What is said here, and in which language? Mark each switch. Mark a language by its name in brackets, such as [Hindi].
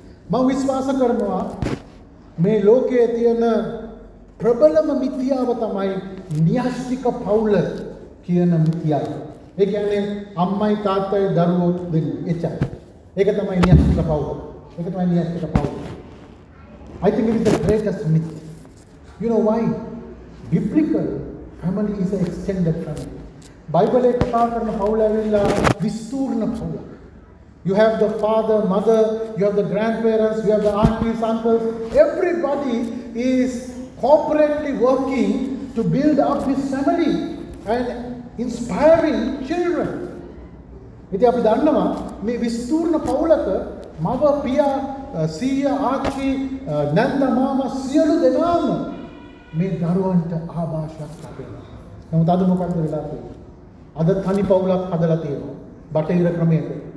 [Sinhala] මම විශ්වාස කරනවා මේ ලෝකයේ තියෙන ප්‍රබලම මිත්‍යාව තමයි න්‍යාස්තික පවුල කියන මිත්‍යාව. ඒ කියන්නේ අම්මයි තාත්තයි දරුවෝ දෙන්නේ එච්චරයි. ඒක තමයි න්‍යාස්තික පවුල. ඒක තමයි න්‍යාස්තික පවුල. [English] I think it is the greatest myth. You know why? Biblical family is an extended family. [Sinhala] Bible එක කතා කරන පවුල ඇවිල්ලා විස්තූර්ණ පවුල. [English] You have the father, mother, you have the grandparents, you have the aunties, uncles. Everybody is corporately working to build up his family and inspiring children. [Sinhala] ඉතින් අපි දන්නවා මේ විස්තූර්ණ පවුලක මව, පියා, සීය, ආච්චි, නැන්ද, මාමා සියලු දෙනාම මේ දරුවන්ට ආභාෂයක් ලැබෙනවා. නමුත් අද මොකක්ද වෙලා තියෙන්නේ? අද තනි පවුලක් හදලා තියෙනවා. බටහිර ක්‍රමයකට.